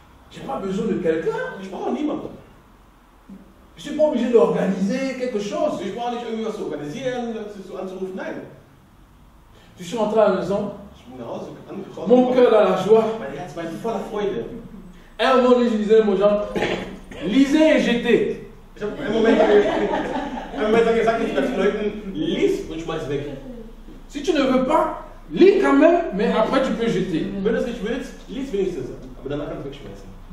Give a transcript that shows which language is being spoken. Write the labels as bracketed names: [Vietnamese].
[French] J'ai pas besoin de quelqu'un. [German] Ich brauche niemanden. [French] Je suis pas obligé d'organiser quelque chose. [German] Ich brauche nicht irgendwas zu organisieren, zu anzurufen. Nein. [French] Je suis rentré à la maison. [German] Ich bin nach Hause angekommen. [French] Mon cœur dans la joie. [German] Mein Herz war voller Freude. [French] Et à un moment donné, je disais, mon genre, lisez et jetez. Un moment, si tu ne veux pas, lis quand même, mais après tu peux jeter. [German] Wenn du es nicht willst, lis wenigstens. Aber danach kannst du wegschmeißen.